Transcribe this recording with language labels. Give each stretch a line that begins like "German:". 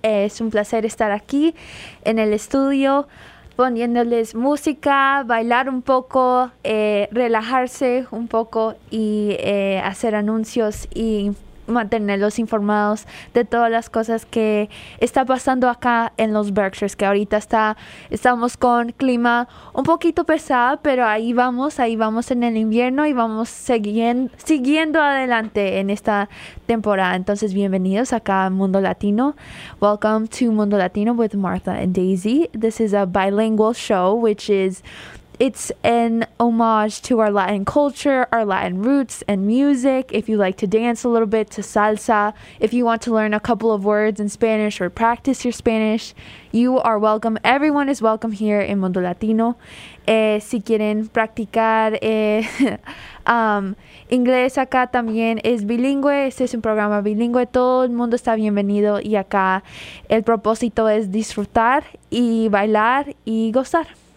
Spanish: Es un placer estar aquí en el estudio poniéndoles música, bailar un poco, relajarse un poco y hacer anuncios y mantenerlos informados de todas las cosas que está pasando acá en los Berkshires, que ahorita estamos con clima un poquito pesado, pero ahí vamos en el invierno y vamos siguiendo adelante en esta temporada. Entonces, bienvenidos acá a Mundo Latino.
English: Welcome to Mundo Latino with Martha and Daisy. This is a bilingual show, which is, it's an homage to our Latin culture, our Latin roots and music. If you like to dance a little bit to salsa, if you want to learn a couple of words in Spanish or practice your Spanish, you are welcome. Everyone is welcome here in Mundo Latino.
Spanish: Si quieren practicar inglés acá también es bilingüe. Este es un programa bilingüe. Todo el mundo está bienvenido y acá el propósito es disfrutar y bailar y gozar.